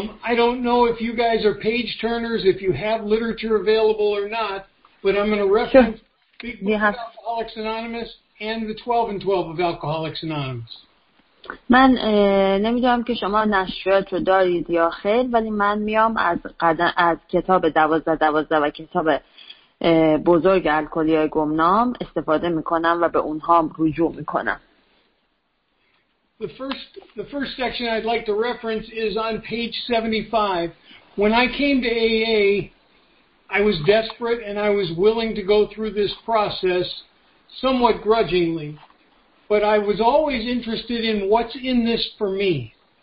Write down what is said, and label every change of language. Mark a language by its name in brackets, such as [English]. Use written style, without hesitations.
[English] I don't know if you guys are page turners, if you have literature available or not, but I'm going to reference Big Book of Alcoholics Anonymous and the 12 and 12 of Alcoholics Anonymous. [Persian] من نمیدونم که شما نشریات رو دارید یا خیر، ولی من میام از کتاب 12-12 و کتاب بزرگ الکلی های گمنام استفاده میکنم و به اونها رجوع میکنم. [English] The first section I'd like to reference is on page 75. When I came to AA, I was desperate and I was willing to go through this process somewhat grudgingly. But I was always interested in what's in this for me.